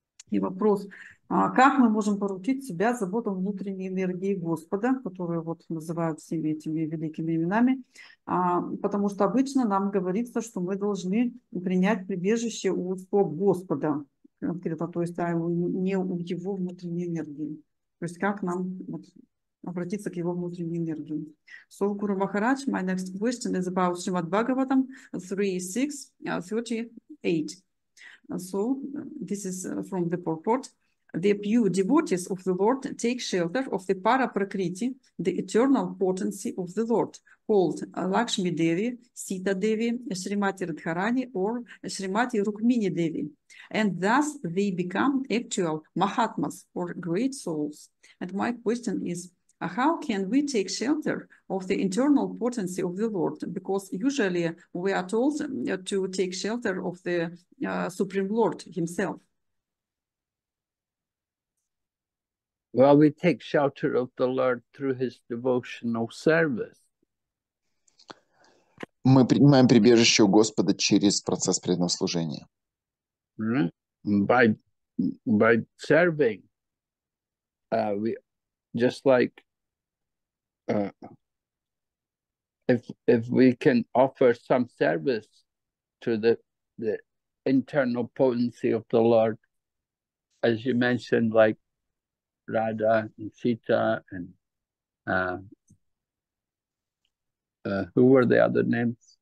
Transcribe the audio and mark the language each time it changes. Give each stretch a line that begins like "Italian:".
Russian: И вопрос, как мы можем поручить себя заботам внутренней энергии Господа, которую вот называют всеми этими великими именами, потому что обычно нам говорится, что мы должны принять прибежище у Господа, конкретно, то есть, а не у его внутренней энергии. То есть как нам вот обратиться к его внутренней энергии.
English: So, Guru Maharaj, my next question is about Srimad Bhagavatam 3.6.38. So, this is from the purport. The pure devotees of the Lord take shelter of the para prakriti, the eternal potency of the Lord, called Lakshmi Devi, Sita Devi, Srimati Radharani, or Srimati Rukmini Devi. And thus they become actual mahatmas, or great souls. And my question is, How can we take shelter of the internal potency of the Lord? Because usually we are told to take shelter of the Supreme Lord himself. Well, we take shelter of the Lord through his devotional service.
Russian: Мы принимаем прибежище у Господа через процесс преданного служения.
English: By serving, we just like if we can offer some service to the internal potency of the Lord, as you mentioned, like Radha and Sita and who were the other names?